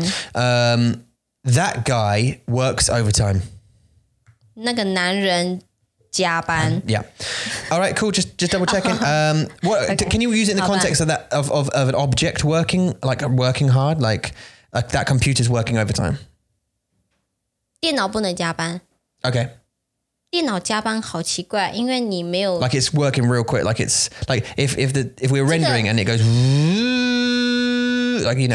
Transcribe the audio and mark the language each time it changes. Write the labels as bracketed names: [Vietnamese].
[English] That guy works overtime. [Chinese] 那个男人加班. [English] Yeah. All right, cool. Just double checking. What okay. Can you use it in the context of that of an object working, like working hard, like that computer's working overtime? [Chinese] 电脑不能加班. [English] Okay. [Chinese] 电脑加班好奇怪, 因为你没有... [English] Like it's working real quick. Like it's like if we're rendering [Chinese] 这个... [English] and it goes like you know.